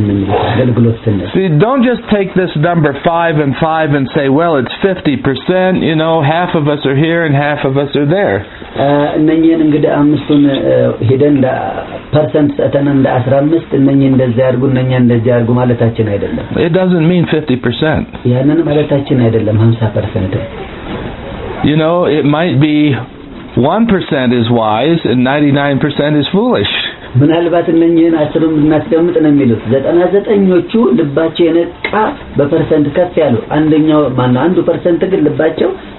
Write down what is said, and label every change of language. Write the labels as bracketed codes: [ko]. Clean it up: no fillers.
[en] See, don't just take this number 5 and 5 and say, well, it's 50%, you know, half of us are here and half of us are there. [am] እነኚህን እንግዲህ አምስቱን ሄደን ፐርሰንት ሰተን እንደ 15 እነኚህን እንደዚህ አድርጉ እነኚህን እንደዚህ አድርጉ ማለታችን አይደለም። [en] It doesn't mean 50%. [am] ያንን ማለታችን አይደለም 50%. [en] You know, it might be 1% is wise and 99% is foolish. [am] ምናልባት እነኚህን 10ም እናስቀምጥ ነው የሚሉት 99ዎቹ ልባቸው የነቃ በፐርሰንት ከፍ ያሉ አንደኛው ማነው አንዱ ፐርሰንት ግን ልባቸው